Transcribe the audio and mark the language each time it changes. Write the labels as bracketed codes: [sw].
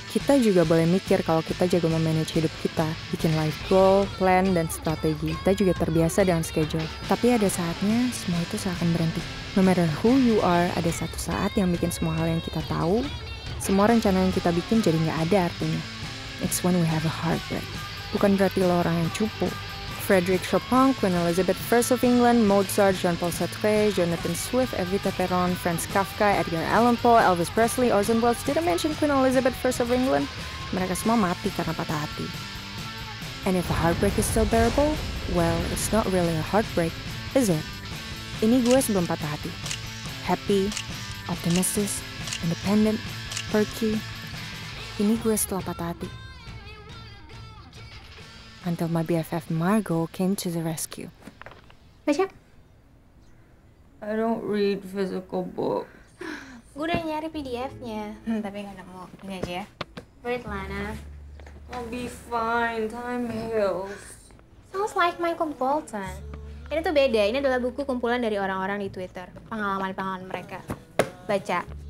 [id] Kita juga boleh mikir kalau kita jago memanage hidup kita, bikin life goal, plan, dan strategi. Kita juga terbiasa dengan schedule. Tapi ada saatnya, semua itu seakan berhenti. [en] No matter who you are, [id] ada satu saat yang bikin semua hal yang kita tahu, semua rencana yang kita bikin jadi nggak ada artinya. [en] It's when we have a heartbreak. [id] Bukan berarti lo orang yang cupu. Frederick Chopin, Queen Elizabeth I of England, Mozart, Jean-Paul Sartre, Jonathan Swift, Evita Peron, Franz Kafka, Edgar Allan Poe, Elvis Presley, Orson Welles, [en] did I mention Queen Elizabeth I of England? [id] Mereka semua mati karena patah hati. [en] And if a heartbreak is still bearable, well, it's not really a heartbreak, is it? [id] Ini gue sebelum patah hati. [en] Happy, optimistic, independent, perky. [id] Ini gue setelah patah hati. [en] Until my BFF Margot came to the rescue. [id] Baca. [en] I don't read physical book. [id] Gue udah nyari PDF-nya, tapi nggak nemu. Ini aja ya. Read, Lana. [en] I'll be fine. Time heals. Sounds like Michael Bolton. [id] Ini tuh beda. Ini adalah buku kumpulan dari orang-orang di Twitter. Pengalaman-pengalaman mereka. Baca.